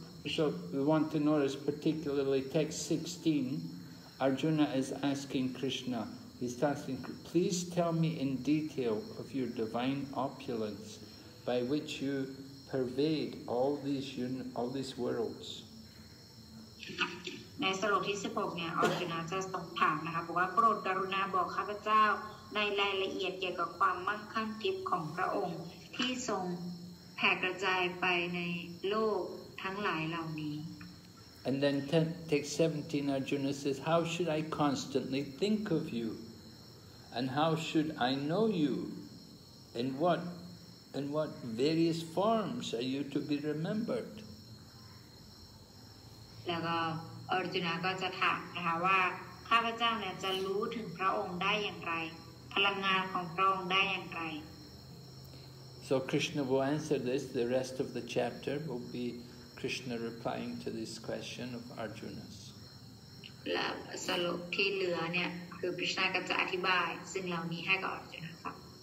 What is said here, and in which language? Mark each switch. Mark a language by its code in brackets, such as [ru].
[en] So we want to notice particularly text 16, Arjuna is asking Krishna, he's asking, please tell me in detail of your divine opulence by which you pervade all these worlds. [th] ในสรุปที่16เนี่ยออร์จุนาจะส่งถามนะคะบอกว่าโปรดกรุณาบอกข้าพเจ้าในรายละเอียดเกี่ยวกับความมั่งคั่งทิพย์ของพระองค์ที่ทรงแผ่กระจายไปในโลกทั้งหลายเหล่านี้ [en] And then text 17 Arjuna says how should I constantly think of you and how should I know you in what various forms are you to be remembered [th] แล้วก็อรจุนาก็จะถามนะคะว่าข้าพเจ้าเนี่ยจะรู้ถึงพระองค์ได้อย่างไรพลังงานของพระองค์ได้อย่างไร [en] So Krishna will answer this. The rest of the chapter will be Krishna replying to this question of Arjuna's. [th] และสรุปที่เหลือเนี่ยคือ Krishna ก็จะอธิบายซึ่งเหล่านี้ให้กับอรจุนาฟัง